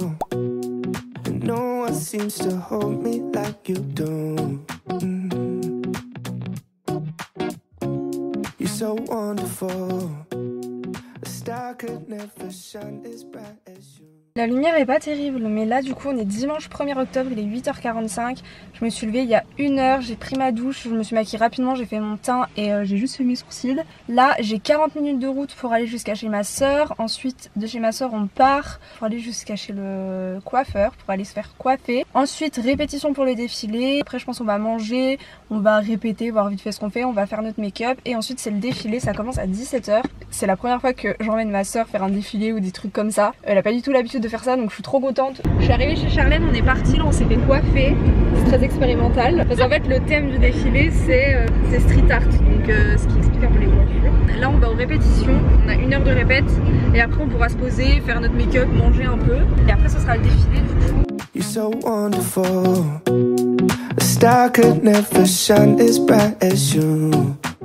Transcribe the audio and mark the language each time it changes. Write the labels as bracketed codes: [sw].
[en] Comfortable, no one seems to hold me like you do. You're so wonderful. A star could never shine as bright as you. [fr] La lumière est pas terrible, mais là du coup on est dimanche 1er octobre, il est 8h45, je me suis levée il y a une heure, j'ai pris ma douche, je me suis maquillée rapidement, j'ai fait mon teint et j'ai juste fait mes sourcils. Là j'ai 40 minutes de route pour aller jusqu'à chez ma sœur, ensuite de chez ma sœur on part pour aller jusqu'à chez le coiffeur, pour aller se faire coiffer. Ensuite répétition pour le défilé, après je pense on va manger, on va répéter, voir vite fait ce qu'on fait, on va faire notre make-up et ensuite c'est le défilé, ça commence à 17h. C'est la première fois que j'emmène ma sœur faire un défilé ou des trucs comme ça, elle a pas du tout l'habitude de faire ça, donc je suis trop contente. Je suis arrivée chez Charlène, on est parti, là on s'est fait coiffer, c'est très expérimental parce qu'en fait le thème du défilé c'est street art, donc ce qui explique un peu les coiffures. Là on va en répétition, on a une heure de répète et après on pourra se poser, faire notre make-up, manger un peu et après ce sera le défilé du coup. [en] You're so wonderful. A star could never shine as bright as you.